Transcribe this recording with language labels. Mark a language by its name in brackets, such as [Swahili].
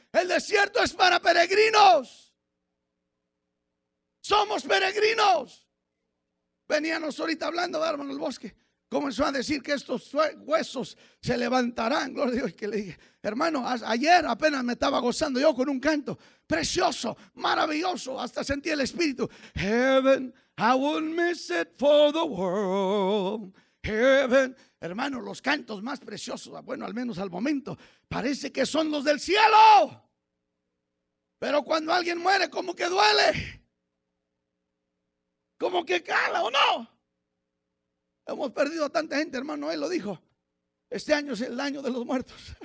[Spanish] El desierto es para peregrinos. Somos peregrinos. Veníamos ahorita hablando, hermano, el bosque. Comenzó a decir que estos huesos se levantarán. Gloria a Dios. Y que le dije, hermano, ayer apenas me estaba gozando yo con un canto precioso, maravilloso. Hasta sentí el espíritu. [English] Heaven, I wouldn't miss it for the world. Heaven. [Spanish] Hermano, los cantos más preciosos, bueno, al menos al momento, parece que son los del cielo. Pero cuando alguien muere, como que duele. Como que cala, ¿o no? Hemos perdido a tanta gente, hermano. Él lo dijo. Este año es el año de los muertos.